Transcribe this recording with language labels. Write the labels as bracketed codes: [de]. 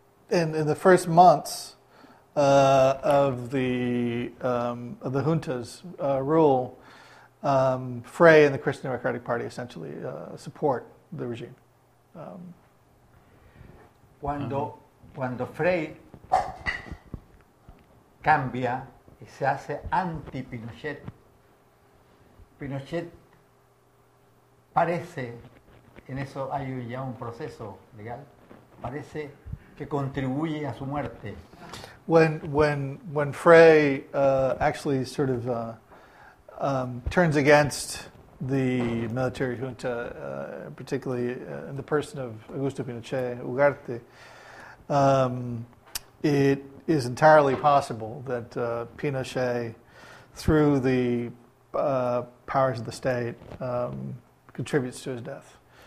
[en] In the first months of the junta's rule, Frei and the Christian Democratic Party essentially support the regime. [es] Cuando Frei cambia y se hace anti-Pinochet, Pinochet parece, en eso hay ya un proceso legal, parece que contribuye a su muerte. [en] When Frei actually sort of turns against the military junta, particularly in the person of Augusto Pinochet Ugarte, it is entirely possible that Pinochet, through the powers of the state, contributes to his death.